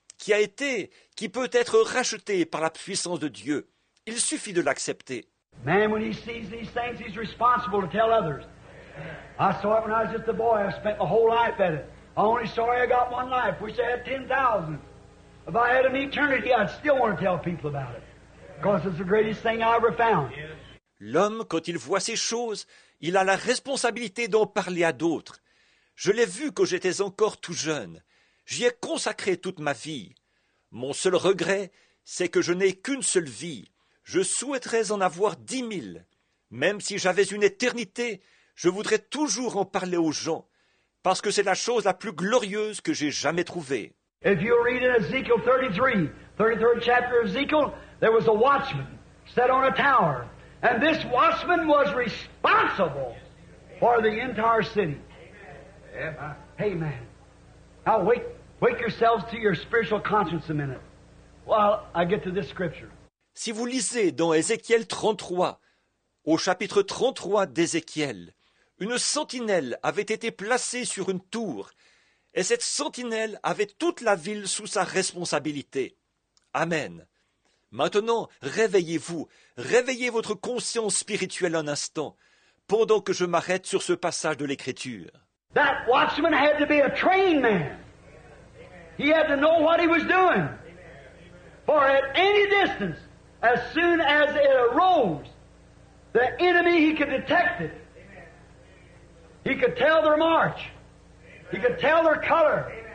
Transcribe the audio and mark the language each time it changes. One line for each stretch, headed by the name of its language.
French: Qui peut être racheté par la puissance de Dieu. Il suffit de l'accepter.
English: Man, when he sees these things, he's responsible to tell others. I saw it when I was just a boy. I spent my whole life at it. I only sorry I got one life. Wish I had 10,000. If I had an eternity, I'd still want to tell people about it. Because it's the greatest thing I ever found.
French: L'homme, quand il voit ces choses, il a la responsabilité d'en parler à d'autres. Je l'ai vu quand j'étais encore tout jeune. J'y ai consacré toute ma vie. Mon seul regret, c'est que je n'ai qu'une seule vie. Je souhaiterais en avoir 10 000. Même si j'avais une éternité, je voudrais toujours en parler aux gens, parce que c'est la chose la plus glorieuse que j'ai jamais trouvée.
English: If you read in Ezekiel 33, 33rd chapter of Ezekiel, there was a watchman set on a tower, and this watchman was responsible for the entire city. Amen. Now wake yourselves to your spiritual conscience a minute while I get to this scripture.
French: Si vous lisez dans Ézéchiel 33, au chapitre 33 d'Ézéchiel, une sentinelle avait été placée sur une tour, et cette sentinelle avait toute la ville sous sa responsabilité. Amen. Maintenant, réveillez-vous, réveillez votre conscience spirituelle un instant, pendant que je m'arrête sur ce passage de l'Écriture.
English: That watchman had to be a trained man. He had to know what he was doing. For at any distance, as soon as it arose, the enemy, he could detect it. He could tell their march. He could tell their color.